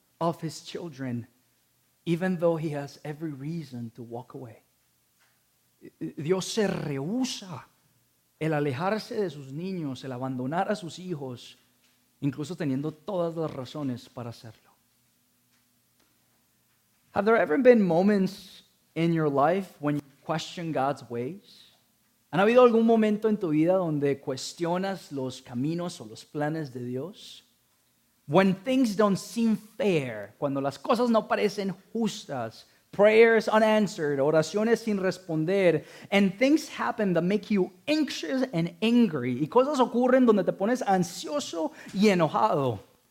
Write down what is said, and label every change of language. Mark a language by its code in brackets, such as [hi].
[en] of his children, even though he has every reason to walk away. [es] Dios se rehúsa el alejarse de sus niños, el abandonar a sus hijos, incluso teniendo todas las razones para hacerlo. [en] Have there ever been moments in your life when you question God's ways? [es] ¿Han habido algún momento en tu vida donde cuestionas los caminos o los planes de Dios? [en] When things don't seem fair, [es] cuando las cosas no parecen justas, [en] prayers unanswered, [es] oraciones sin responder, [en] and things happen that make you anxious and angry, [es] y cosas ocurren donde te pones ansioso y enojado.